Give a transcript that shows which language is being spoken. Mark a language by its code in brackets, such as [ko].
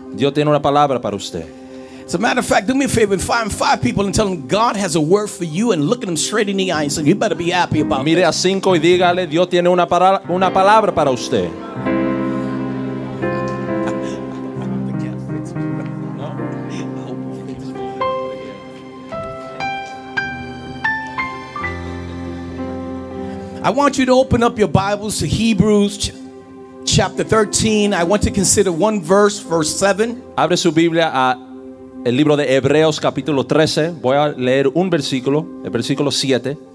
[es] Dios tiene una palabra para usted. [en] As a matter of fact, do me a favor and find five people and tell them God has a word for you and look at them straight in the eye and say, you better be happy about it. [es] Mire a cinco y dígale, Dios tiene una palabra para usted. [en] I want you to open up your Bibles to Hebrews chapter 13. I want to consider one verse, verse 7. [es] Abre su Biblia a el libro de Hebreos capítulo 13, voy a leer un versículo, el versículo 7.